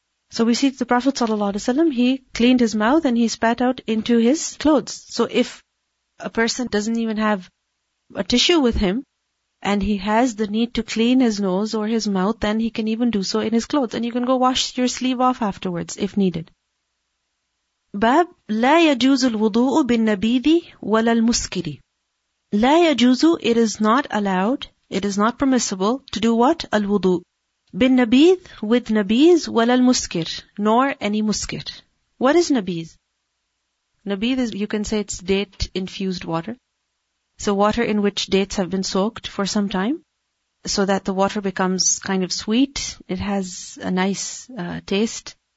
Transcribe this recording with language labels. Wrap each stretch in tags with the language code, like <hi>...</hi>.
<en>So we see the Prophet ﷺ, he cleaned his mouth and he spat out into his clothes. So if a person doesn't even have a tissue with him, and he has the need to clean his nose or his mouth, then he can even do so in his clothes. And you can go wash your sleeve off afterwards, if needed.</en> <ar>Bab, لا يجوز الوضوء بالنبيذ ولا المسكر. لا يجوز,</ar> <en>it is not allowed, it is not permissible to do what? Al-wudu. Bin nabith, with nabith, wala al-muskir, nor any muskir. What is nabith? Nabith is, you can say it's date-infused water. So water in which dates have been soaked for some time, so that the water becomes kind of sweet, it has a nice taste.</en>